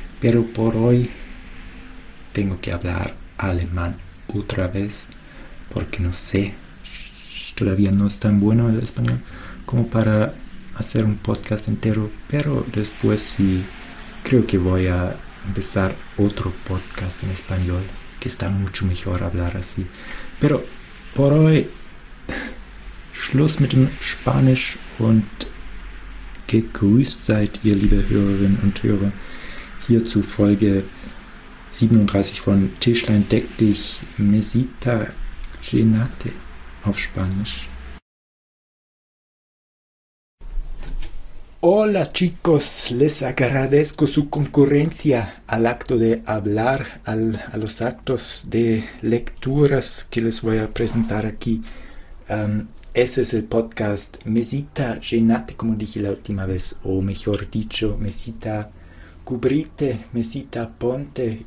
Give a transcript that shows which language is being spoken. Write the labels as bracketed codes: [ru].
[es] Pero por hoy tengo que hablar alemán otra vez, porque no sé, todavía no es tan bueno el español como para hacer un podcast entero. Pero después sí, creo que voy a empezar otro podcast en español, que está mucho mejor hablar así. Pero por hoy, [de] Schluss mit dem Spanisch und gegrüßt seid ihr, liebe Hörerinnen und Hörer, hier zu Folge 37 von Tischlein deck dich, Mesita llénate auf Spanisch. [es] Hola chicos, les agradezco su concurrencia al acto de hablar, a los actos de lecturas que les voy a presentar aquí. Ese es el podcast Mesita Llénate, como dije la última vez, o mejor dicho, Mesita Cubrite, Mesita Ponte.